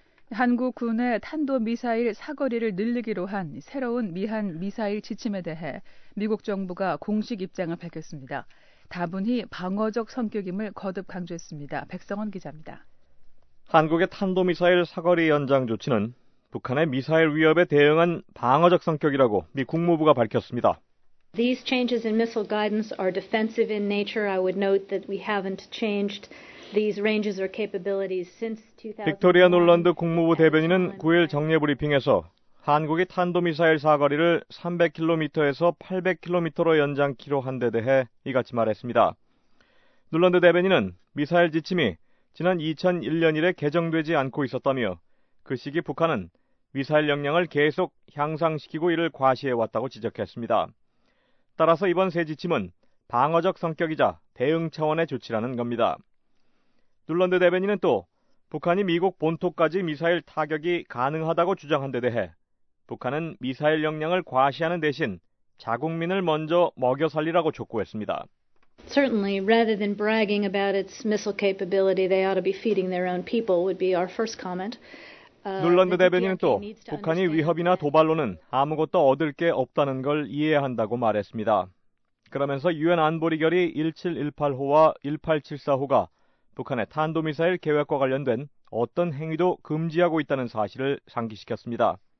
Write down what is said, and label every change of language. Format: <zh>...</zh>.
<ko>한국 군의 탄도미사일 사거리를 늘리기로 한 새로운 미한 미사일 지침에 대해 미국 정부가 공식 입장을 밝혔습니다. 다분히 방어적 성격임을 거듭 강조했습니다. 백성원 기자입니다. 한국의 탄도미사일 사거리 연장 조치는 북한의 미사일 위협에 대응한 방어적 성격이라고 미 국무부가 밝혔습니다.</ko> <en>These changes in missile guidance are defensive in nature. I would note that we haven't changed these ranges or capabilities since 2000.</en> <ko>빅토리아 놀란드 국무부 대변인은 9일 정례 브리핑에서 한국이 탄도미사일 사거리를 300km에서 800km로 연장키로 한 데 대해 이같이 말했습니다. 놀란드 대변인은 미사일 지침이 지난 2001년 이래 개정되지 않고 있었다며 그 시기 북한은 미사일 역량을 계속 향상시키고 이를 과시해왔다고 지적했습니다. 따라서 이번 새 지침은 방어적 성격이자 대응 차원의 조치라는 겁니다. 뉴런드 대변인은 또 북한이 미국 본토까지 미사일 타격이 가능하다고 주장한 데 대해 북한은 미사일 역량을 과시하는 대신 자국민을 먼저 먹여 살리라고 촉구했습니다.</ko> <en>Certainly, rather than bragging about its missile capability, they ought to be feeding their own people would be our first comment.</en> <ko>눌런드 대변인은 또 북한이 위협이나 도발로는 아무것도 얻을 게 없다는 걸 이해한다고 말했습니다. 그러면서 유엔 안보리 결의 1718호와 1874호가 북한의 탄도미사일 계획과 관련된 어떤 행위도 금지하고 있다는 사실을 상기시켰습니다.</ko>